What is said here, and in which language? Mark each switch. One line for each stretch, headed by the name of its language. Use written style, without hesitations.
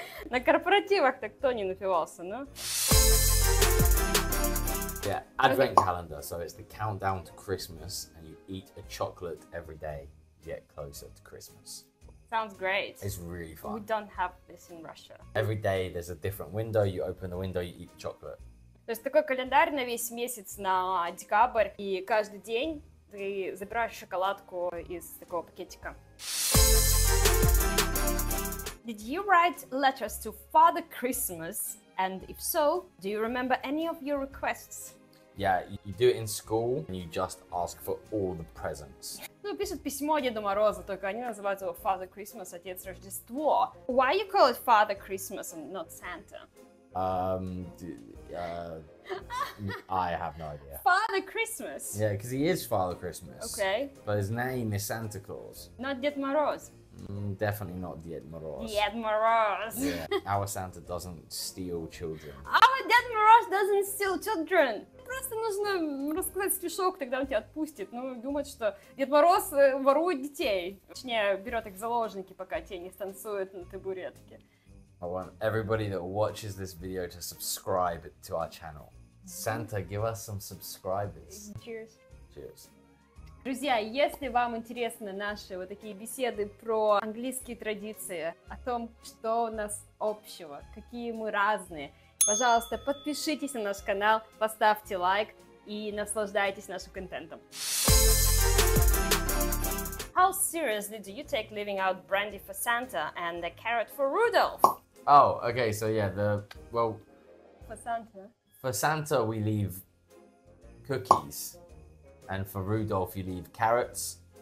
Russian: На корпоративах-то кто не напивался, ну?
English: Yeah, advent calendar. So it's the countdown to Christmas and you eat a chocolate every day to get closer to Christmas. Sounds great. It's really fun. We don't have this in Russia. Every day there's a different window. You open the window, you eat the chocolate.
Russian: То есть такой календарь на весь месяц, на декабрь, и каждый день ты забираешь шоколадку из такого пакетика.
English: Did you write letters to Father Christmas? And if so, do you remember any of your requests? Yeah, you do it in school and you just ask for all the presents.
Russian: Ну, пишут письмо Деду Морозу, только они называют его Father Christmas, Отец Рождество.
English: Why you call it Father Christmas and not Santa? I have no idea. Father Christmas? Yeah, because he is Father Christmas. Okay. But his name is Santa Claus. Not Ded Moroz? Definitely not Ded Moroz. Ded Moroz. Yeah, our Santa doesn't steal children. Our Ded Moroz doesn't steal children!
Russian: Просто нужно рассказать стишок, тогда он тебя отпустит. Ну, думать, что Дед Мороз ворует детей. Точнее, берет их в заложники, пока те не станцуют на табуретке.
English: I want everybody that watches this video to subscribe to our channel. Santa, give us some subscribers. Cheers. Cheers.
Russian: Друзья, если вам интересны наши вот такие беседы про английские традиции, о том, что у нас общего, какие мы разные, пожалуйста, подпишитесь на наш канал, поставьте лайк и наслаждайтесь нашим контентом.
English: How seriously do you take leaving out brandy for Santa and a carrot for Rudolph? Oh, okay, so yeah, For Santa. For Santa, we leave cookies. And for Rudolph, you leave carrots.